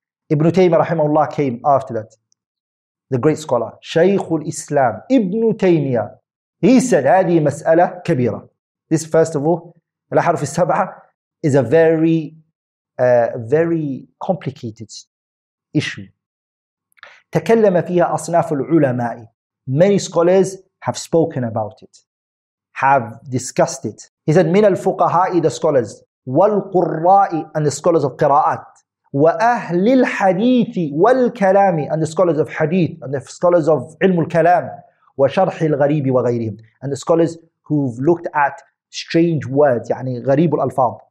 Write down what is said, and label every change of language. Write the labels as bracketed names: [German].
[English] Ibn Taymiyyah rahimahullah came after that, the great scholar, Shaykh al-Islam, Ibn Taymiyyah, he said, [Arabic] هذه مسألة كبيرة. [English] This, first of all, الأحرف السبعة is a very, very complicated issue. [Arabic] تكلم فيها أصناف العلماء. [English] Many scholars have spoken about it, have discussed it. He said, [Arabic] من الفقهاء, [English] the scholars, [Arabic] والقراء, [English] and the scholars of قراءات, [Arabic] وأهل الحديث والكلام, [English] and the scholars of hadith, and the scholars of علم الكلام, [Arabic] وشرح الغريب وغيرهم, [English] and the scholars who've looked at strange words, [Arabic] يعني غريب الألفاظ.